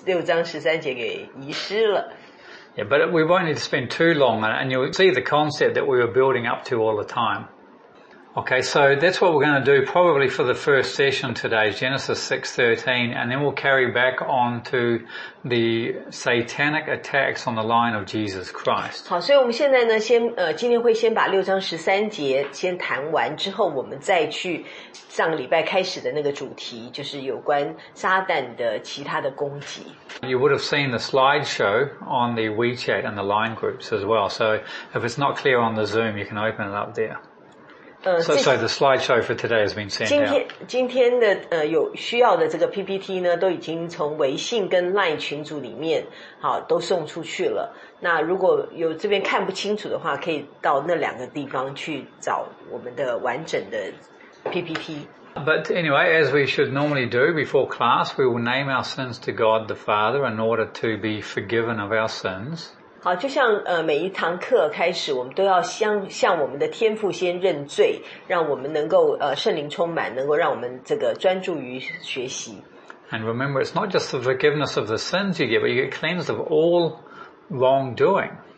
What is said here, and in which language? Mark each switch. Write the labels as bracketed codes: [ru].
[zh] 然后听说应该是因为呢，我们在第六章已经花了很长很长的时间，所以他会有一种想要赶快完成，然后去谈下一个主题，所以就把这个六章十三节给遗失了。 [en] Yeah, but we won't need to spend too long on it and you'll see the concept that we were building up to all the time. Okay, so that's what we're going to do probably for the first session today, Genesis 6:13, and then we'll carry back on to the satanic attacks on the line of Jesus Christ. [zh] 好，所以我们现在呢，先今天会先把六章十三节先谈完，之后我们再去上个礼拜开始的那个主题，就是有关撒旦的其他的攻击。 [en] You would have seen the slideshow on the WeChat and the line groups as well. So if it's not clear on the Zoom, you can open it up there. So the slideshow for today has been sent out. [zh] 今天的有需要的这个 PPT呢，都已经从微信跟LINE群组里面好都送出去了。那如果有这边看不清楚的话，可以到那两个地方去找我们的完整的 PPT. [en] But anyway, as we should normally do before class, we will name our sins to God the Father in order to be forgiven of our sins. [zh] 好，就像每一堂课开始，我们都要向我们的天父先认罪，让我们能够圣灵充满，能够让我们这个专注于学习。 [en] And remember, it's not just the forgiveness of the sins you get, but you get cleansed of all wrongdoing.